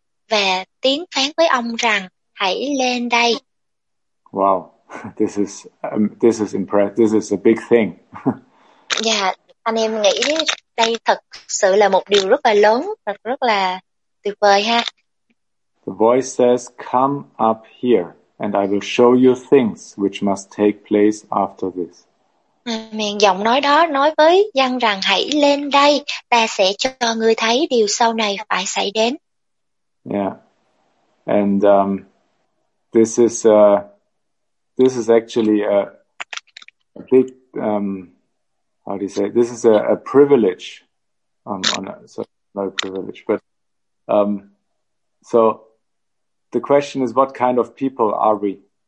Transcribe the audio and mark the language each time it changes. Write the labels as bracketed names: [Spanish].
[Vietnamese] Và tiếng phán với ông rằng hãy lên đây. [English] Wow, this is impressive. This is a big thing. [Vietnamese] Anh em nghĩ đây thật sự là một điều rất là lớn, rất là tuyệt vời ha. [English] The voice says, come up here and I will show you things which must take place after this. [Vietnamese] Miền giọng nói đó nói với Giăng rằng hãy lên đây, ta sẽ cho ngươi thấy điều sau này phải xảy đến. Yeah. [English] And this is actually a big how do you say it? This is a privilege. So the question is, what kind of people are we?